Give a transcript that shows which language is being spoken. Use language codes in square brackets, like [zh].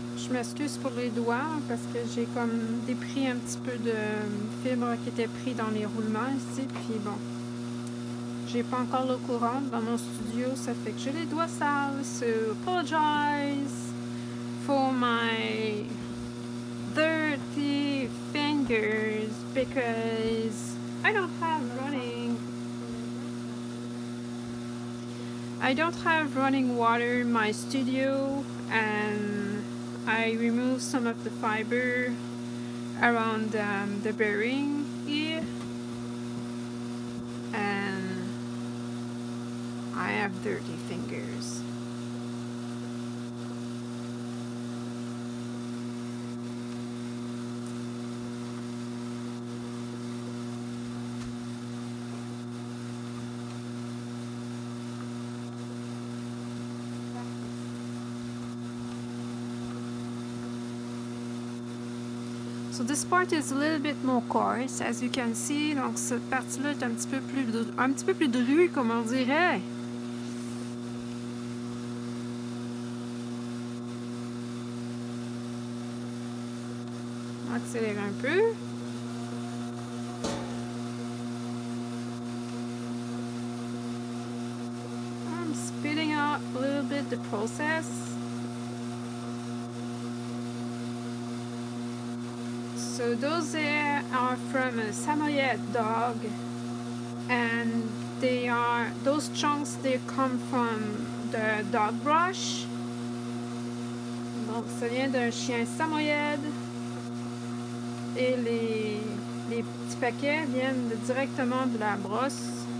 [fr] m'excuse pour les doigts parce que j'ai comme dépris un petit peu de fibre qui était pris dans les roulements ici. Puis bon, j'ai pas encore l'eau courante dans mon studio, ça fait que j'ai les doigts sales. [en] So apologize for my dirty fingers because I don't have running. I don't have running water in my studio, and I removed some of the fiber around the bearing here, and I have dirty fingers. So this part is a little bit more coarse, as you can see. [fr] Donc cette partie-là est un petit peu plus drue, comme on dirait. Accélère un peu. [en] I'm speeding up a little bit the process. So those there are from a Samoyed dog, and those chunks come from the dog brush. [fr] Donc ça vient d'un chien Samoyed, et les petits paquets viennent directement de la brosse.